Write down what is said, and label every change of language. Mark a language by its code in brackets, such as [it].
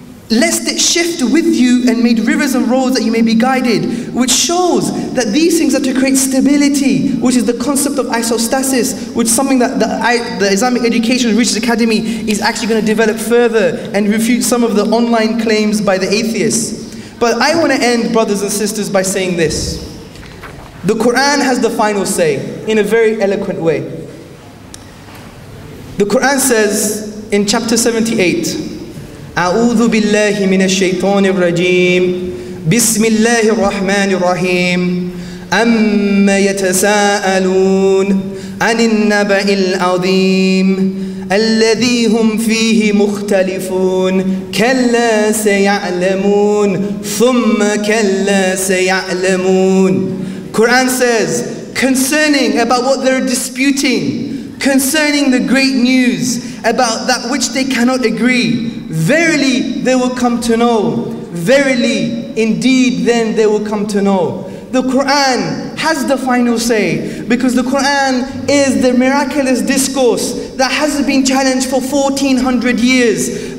[en] lest it shift with you and made rivers and roads that you may be guided, which shows that these things are to create stability, which is the concept of isostasis, which is something that the Islamic Education Research Academy is actually going to develop further and refute some of the online claims by the atheists. But I want to end, brothers and sisters, by saying this. The Quran has the final say in a very eloquent way. [ar] The Quran says in chapter 78, أعوذ بالله من الشيطان الرجيم بسم الله الرحمن الرحيم أما يتساءلون عن النبأ العظيم الذي هم فيه مختلفون كلا سيعلمون ثم كلا سيعلمون. [en] Quran says concerning about what they're disputing, concerning the great news about that which they cannot agree, verily they will come to know. Verily, indeed, then they will come to know. The Quran has the final say, because the Quran is the miraculous discourse that hasn't been challenged for 1400 years.